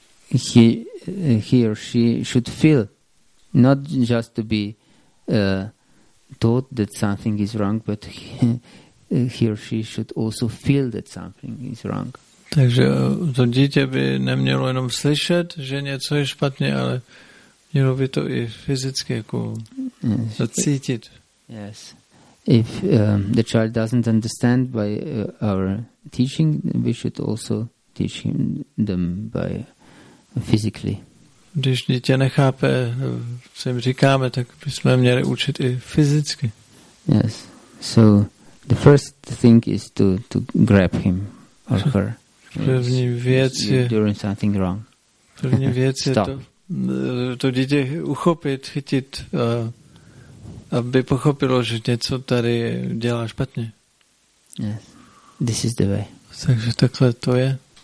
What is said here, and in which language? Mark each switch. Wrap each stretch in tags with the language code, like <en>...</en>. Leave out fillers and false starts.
<en>He or she should feel, not just to be taught that something is wrong, but he or she should also feel that something is wrong.</en> <cs>Takže to dítě by nemělo jenom slyšet, že něco je špatně, ale mělo by to i fyzicky jako cítit.</cs> <en>Yes. If the child doesn't understand by our teaching, we should also teach him them by physically.</en> <cs>Když dítě nechápe, co jim říkáme, tak bychom měli učit i fyzicky.</cs> <en>Yes. So the first thing is to grab him or her.</en> <cs>První věc je</cs> <en>doing something wrong.</en> <cs>První věc je to dítě uchopit, chytit, aby pochopilo, že něco tady dělá špatně.</cs> <en>Yes. This is the way.</en> <cs>Takže takhle to je.</cs>